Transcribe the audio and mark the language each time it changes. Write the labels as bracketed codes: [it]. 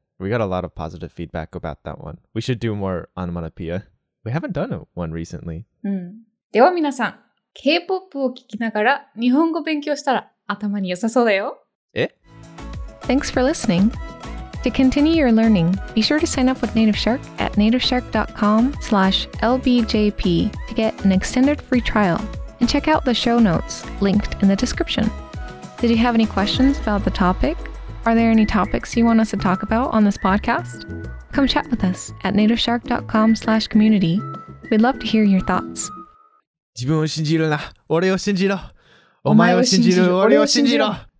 [en] We got a lot of positive feedback about that one. We should do more オノマトペ.We haven't done one recently. [ja] うん。では皆さん、K-POP を聞きながら日本語勉強したら頭に良さそうだよ。え? [en] Thanks for listening. To continue your learning, be sure to sign up with Native Shark at nativeshark.com/lbjp to get an extended free trial. And check out the show notes linked in the description. Did you have any questions about the topic? Are there any topics you want us to talk about on this podcast? Come chat with us at nativeshark.com/community. We'd love to hear your thoughts. [ja] 自分を信じるな。俺を信じろ。お前を信じる。俺を信じろ。